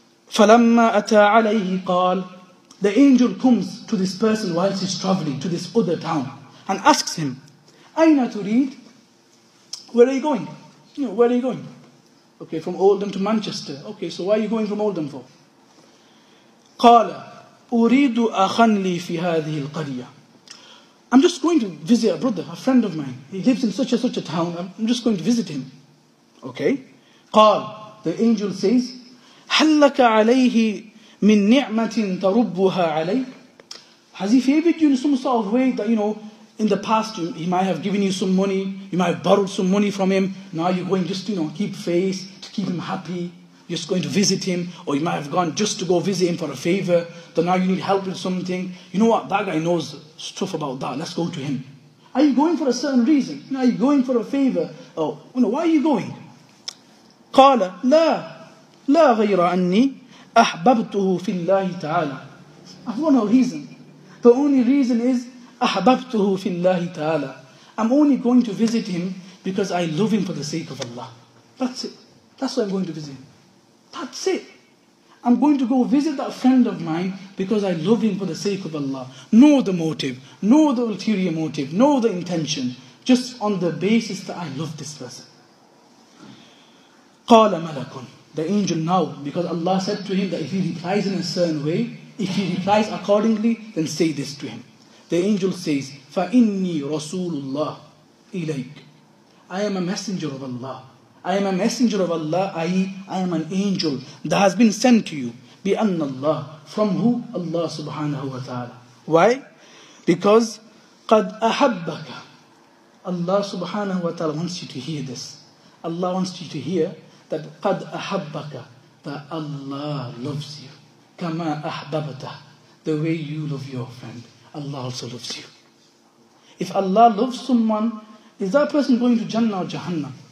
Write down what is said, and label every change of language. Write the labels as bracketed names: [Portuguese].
[Arabic] فَلَمَّا أَتَى عَلَيْهِ قَالْ. [English] The angel comes to this person whilst he's traveling to this other town and asks him, [Arabic] أَيْنَ تُرِيدْ. [English] Where are you going? You know, where are you going? Okay, from Oldham to Manchester. Okay, so why are you going from Oldham for? [Arabic] قَالَ أُرِيدُ أَخًا لِي فِي هَذِهِ الْقَرِيَةِ. [English] I'm just going to visit a brother, a friend of mine. He lives in such and such a town. I'm just going to visit him. Okay. [Arabic] قال, [English] the angel says, [Arabic] هَلَّكَ عَلَيْهِ مِن نِعْمَةٍ تَرُبُّهَا عَلَيْهِ. [English] Has he favored you in some sort of way that, you know, in the past he might have given you some money, you might have borrowed some money from him. Now you're going just, you know, keep face, to keep him happy. You're just going to visit him, or you might have gone just to go visit him for a favor, that now you need help with something. You know what? That guy knows stuff about that. Let's go to him. Are you going for a certain reason? Are you going for a favor? Oh, you know, why are you going? [Arabic] قال لا لا غير أني أحببته في الله تعالى. [English] I have no reason. The only reason is [Arabic] أحببته في الله تعالى. [English] I'm only going to visit him because I love him for the sake of Allah. That's it. That's why I'm going to visit him. That's it. I'm going to go visit that friend of mine because I love him for the sake of Allah. Know the motive. Know the ulterior motive. Know the intention. Just on the basis that I love this person. [Arabic] قال ملك. [English] The angel now, because Allah said to him that if he replies in a certain way, if he replies accordingly, then say this to him. The angel says, [Arabic] فَإِنِّي رَسُولُ اللَّهِ إِلَيْكَ. [English] I am a messenger of Allah. I am a messenger of Allah, i.e. I am an angel that has been sent to you. [Arabic] بِأَنَّ اللَّهِ. [English] From who? Allah subhanahu wa ta'ala. Why? Because [Arabic] قَدْ أَحَبَّكَ. [English] Allah subhanahu wa ta'ala wants you to hear this. Allah wants you to hear that [Arabic] قَدْ أَحَبَّكَ. [English] That Allah loves you. [Arabic] كَمَا أَحْبَبْتَ. [English] The way you love your friend, Allah also loves you. If Allah loves someone, is that person going to Jannah or Jahannam?